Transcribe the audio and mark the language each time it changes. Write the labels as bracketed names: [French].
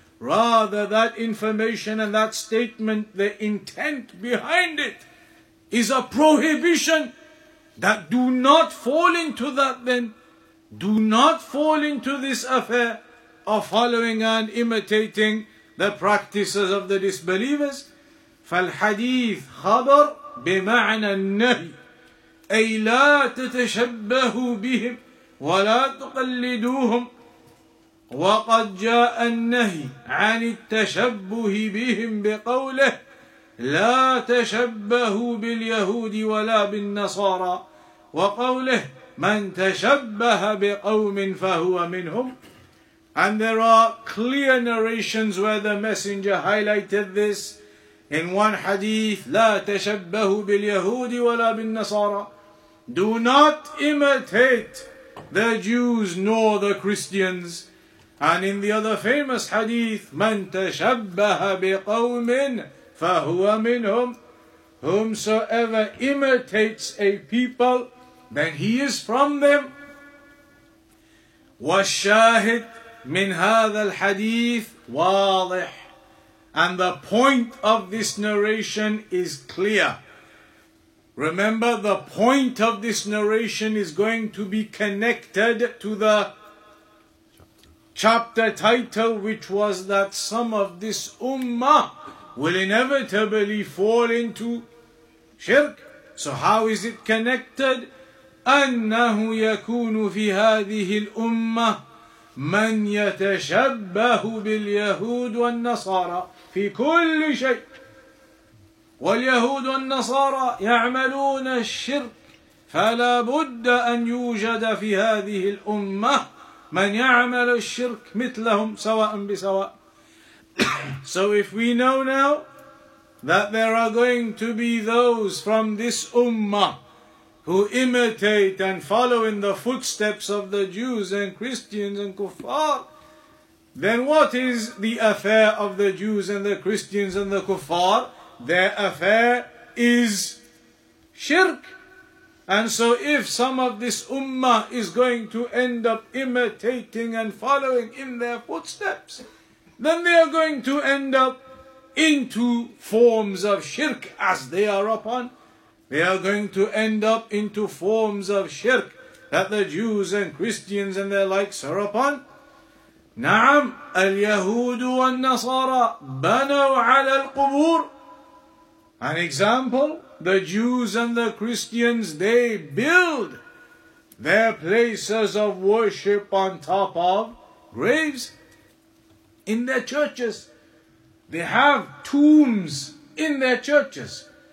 [English] Rather, that information and that statement, the intent behind it, is a prohibition that do not fall into that then. Do not fall into this affair of following and imitating the practices of the disbelievers. [Arabic] فالحديث خبر بمعنى النهي أي لا تتشبهوا بهم ولا تقلدوهم وقد جاء النهي عن التشبه بهم بقوله لا تشبهوا باليهود ولا بالنصارى وقوله من تشبه بقوم فهو منهم. [English] And there are clear narrations where the messenger highlighted this. In one hadith, لا تشبه باليهود ولا بالنصارى. Do not imitate the Jews nor the Christians. And in the other famous hadith, من تشبه بقوم فهو منهم. Whomsoever imitates a people, then he is from them. [Arabic] والشاهد من هذا الحديث واضح. [English] And the point of this narration is clear. Remember, the point of this narration is going to be connected to the chapter title, which was that some of this ummah will inevitably fall into shirk. So how is it connected? [Arabic] أَنَّهُ يَكُونُ فِي هَذِهِ الْأُمَّةِ مَنْ يَتَشَبَّهُ بِالْيَهُودِ وَالنَّصَارَى في كل شيء واليهود والنصارى يعملون الشرك فلا بد أن يوجد في هذه الأمة من يعمل الشرك مثلهم سواء بسواء. [English] So if we know now that there are going to be those from this ummah who imitate and follow in the footsteps of the Jews and Christians and kuffar, then what is the affair of the Jews and the Christians and the kuffar? Their affair is shirk. And so if some of this ummah is going to end up imitating and following in their footsteps, then they are going to end up into forms of shirk as they are upon. They are going to end up into forms of shirk that the Jews and Christians and their likes are upon. [Arabic] نعم اليهود والنصارى بنوا على القبور. [English] An example, the Jews and the Christians, they build their places of worship on top of graves in their churches. They have tombs in their churches.